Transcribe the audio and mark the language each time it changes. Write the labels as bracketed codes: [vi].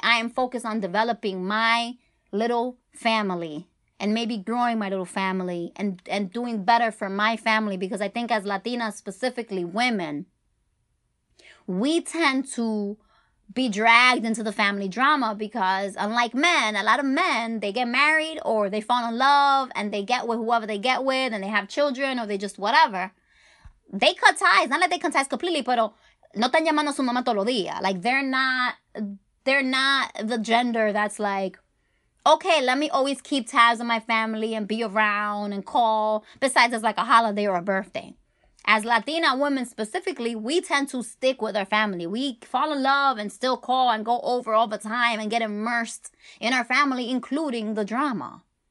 [en] I am focused on developing my little family and maybe growing my little family and doing better for my family, because I think as Latinas, specifically women, we tend to be dragged into the family drama because, unlike men, a lot of men, they get married or they fall in love and they get with whoever they get with and they have children or they just whatever. They cut ties. Not like they cut ties completely, [es] pero no están llamando a su mamá todos los días. [en] Like, they're not the gender that's like, okay, let me always keep tabs on my family and be around and call. Besides, it's like a holiday or a birthday. As Latina women specifically, we tend to stick with our family. We fall in love and still call and go over all the time and get immersed in our family, including the drama.